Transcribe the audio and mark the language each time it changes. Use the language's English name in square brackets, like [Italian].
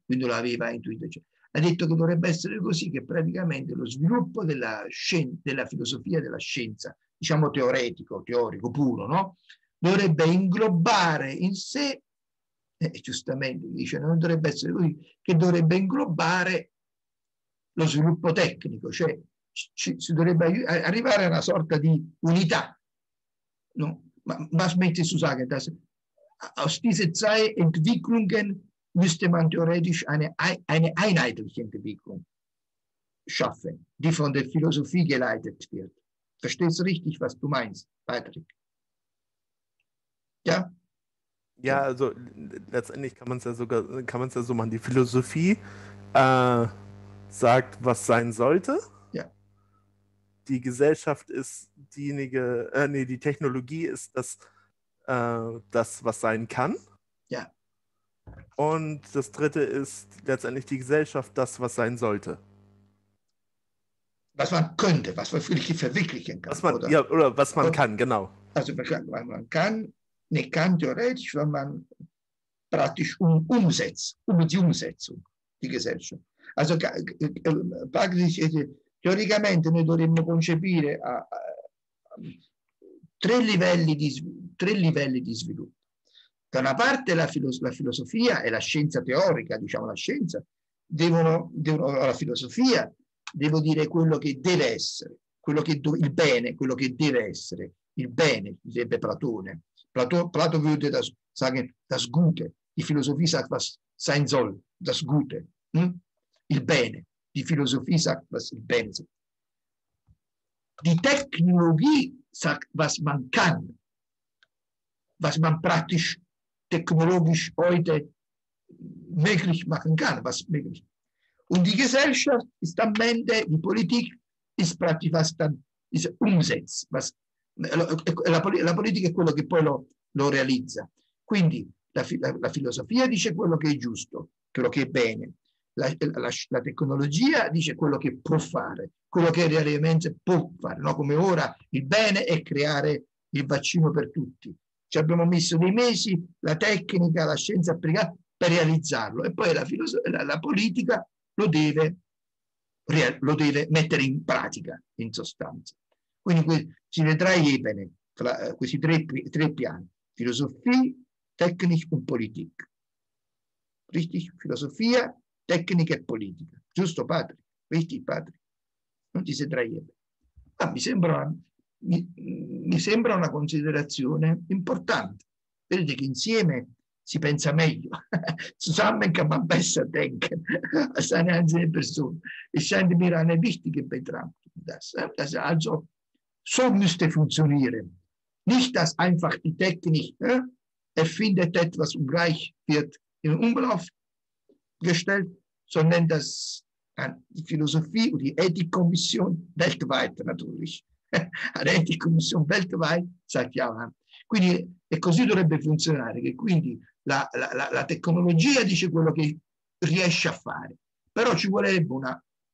[Italian] Quindi lo aveva intuito. Cioè, ha detto che dovrebbe essere così, che praticamente lo sviluppo della filosofia, della scienza, diciamo teorico puro, no? Dovrebbe inglobare in sé, giustamente dice, non dovrebbe essere lui, che dovrebbe inglobare lo sviluppo tecnico, cioè si dovrebbe arrivare a una sorta di unità, no? [German] Ma smette su sagen, dass aus dieser zwei Entwicklungen müsste man theoretisch eine einheitliche Entwicklung schaffen, die von der Philosophie geleitet wird. Verstehst du richtig, was du meinst, Patrick? Ja? Ja, also letztendlich kann man es ja so machen. Die Philosophie sagt, was sein sollte. Ja. Die Gesellschaft ist diejenige, die Technologie ist das, was sein kann. Ja. Und das Dritte ist letztendlich die Gesellschaft, das, was sein sollte. Was man könnte, was man wirklich verwirklichen kann. Was man, oder? Ja, oder was man und, kann, genau. Also man kann. Ne kann theoretisch, wenn man praktisch um die Umsetzung die Gesellschaft. Also praktisch, theoretisch, [Italian] noi dovremmo concepire tre livelli di sviluppo. Da una parte la filosofia e la scienza teorica, diciamo la scienza, devono, o la filosofia, devo dire quello che deve essere. quello che il bene, quello che deve essere, il bene, direbbe Platone. [German] Plato würde das Gute, die Philosophie sagt, was sein soll, das Gute, il bene, die Philosophie sagt, was il bene soll. Die Technologie sagt, was man kann, was man praktisch technologisch heute möglich machen kann, was möglich. Und die Gesellschaft ist am Ende, die Politik ist praktisch, was dann ist umsetzt, was [Italian] la politica è quello che poi lo realizza. Quindi la filosofia dice quello che è giusto, quello che è bene. La tecnologia dice quello che può fare, quello che realmente può fare, no? Come ora il bene è creare il vaccino per tutti. Ci abbiamo messo dei mesi la tecnica, la scienza applicata per realizzarlo e poi la politica lo deve mettere in pratica, in sostanza. Quindi si vedrà bene tra questi tre piani, filosofia, tecnica e politica. [German] Richtig? [Italian] Filosofia, tecnica e politica. Giusto, padre? [German] Richtig, padre? [Italian] Non ti sedrai bene. Ma mi sembra una considerazione importante. Vedete che insieme si pensa meglio. [German] Zusammen kann man besser denken. Seine einzelne Person. Es scheint mir eine wichtige Betrachtung. Das also so müsste funktionieren. Nicht, dass einfach die Technik erfindet etwas und gleich wird in Umlauf gestellt, sondern dass die Philosophie und die Ethikkommission weltweit natürlich, l'Ethikkommission weltweit, sagt ja, [Italian] quindi, e così dovrebbe funzionare, che quindi la tecnologia dice quello che riesce a fare, però ci vorrebbe una